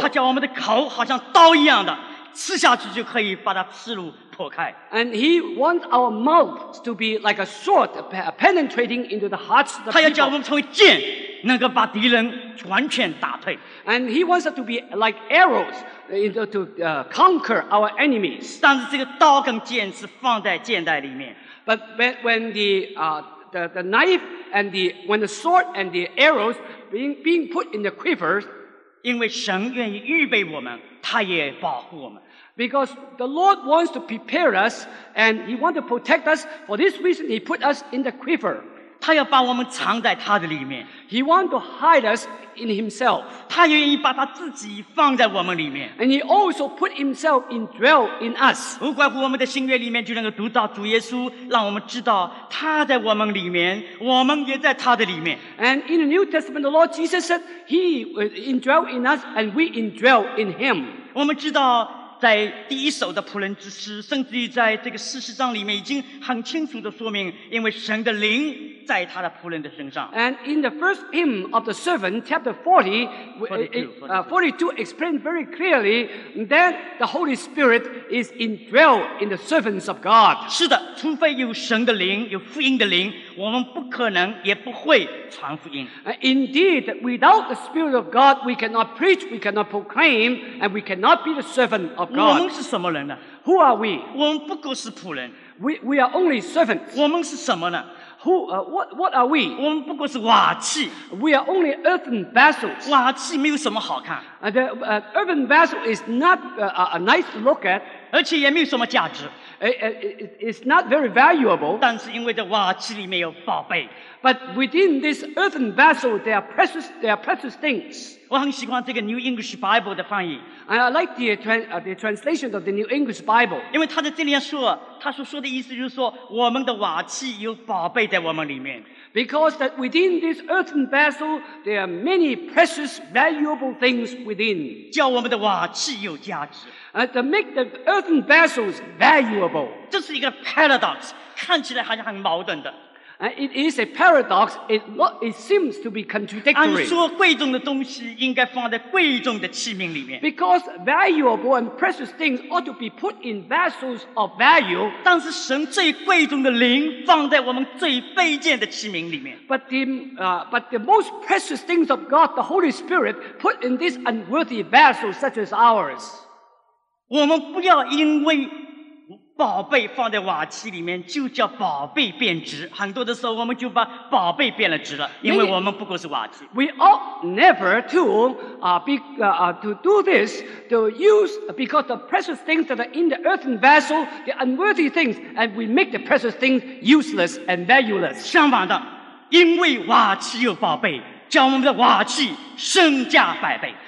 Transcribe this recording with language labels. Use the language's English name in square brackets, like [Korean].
[Chinese] 他叫我们的口好像刀一样的，刺下去就可以把它刺入。 [English] And he wants our mouths to be like a sword penetrating into the hearts of the people. [Chinese] 他要叫我们成为箭，能够把敌人完全打退。 [English] And he wants us to be like arrows to conquer our enemies. [Chinese] 但是这个刀跟箭是放在箭袋里面。 [English] But when the knife and the when the sword and the arrows being put in the quivers, [Chinese] 因为神愿意预备我们，他也保护我们。 [English] Because the Lord wants to prepare us and he wants to protect us. For this reason, he put us in the quiver. [Chinese] 他要把我们藏在他的里面。 [English] He wants to hide us in himself. [Chinese] 他愿意把他自己放在我们里面。 [English] And he also put himself in dwell in us. [Chinese] 无怪乎我们的新约里面就能够读到主耶稣，让我们知道他在我们里面，我们也在他的里面。 [English] And in the New Testament, the Lord Jesus said, he indwell in us and we indwell in him. [Chinese] 我们知道在第一首的仆人之诗，甚至于在这个四十章里面，已经很清楚的说明，因为神的灵在他的仆人的身上。 [English] And in the first hymn of the servant, chapter 40, 42 explains very clearly that the Holy Spirit is indwelled in the servants of God. [Chinese] 是的，除非有神的灵，有福音的灵，我们不可能，也不会传福音。 [English] Indeed, without the Spirit of God, we cannot preach, we cannot proclaim, and we cannot be the servant of God. [Chinese] 我们是什么人呢？ [English] Who are we? [Chinese] 我们不过是仆人。 [English] We are only servants. [Chinese] 我们是什么呢？ [English] What are we? [Chinese] 我们不过是瓦器。 [English] We are only earthen vessels. [Chinese] 瓦器没有什么好看。 [English] The earthen vessel is not a nice to look at. [Chinese] 而且也没有什么价值。 [English] It's not very valuable. [Chinese] 但是因为在瓦器里面有宝贝。 [English] But within this earthen vessel, there are precious things. [Chinese] 我很喜欢这个 New English Bible 的翻译。 [English] And I like the translation of the New English Bible. [Chinese] 因为他在这里说，他所说的意思就是说，我们的瓦器有宝贝在我们里面。 [English] Because that within this earthen vessel, there are many precious, valuable things within. [Chinese] 叫我们的瓦器有价值。 [English] To make the earthen vessels valuable. [Chinese] 这是一个 paradox, 看起来好像很矛盾的。 [English] It is a paradox. It seems to be contradictory. [Chinese] 按说贵重的东西应该放在贵重的器皿里面。 [English] Because valuable and precious things ought to be put in vessels of value. [Chinese] 但是神最贵重的灵放在我们最卑贱的器皿里面。 [English] But the most precious things of God, the Holy Spirit, put in these unworthy vessels such as ours. [Chinese] 我们不要因为宝贝放在瓦器里面就叫宝贝变质，很多的时候我们就把宝贝变了质了，因为我们不过是瓦器。 [English] We ought never to do this because the precious things that are in the earthen vessel, the unworthy things, and we make the precious things useless and valueless. [Chinese] 相反的，因为瓦器有宝贝，叫我们的瓦器身价百倍。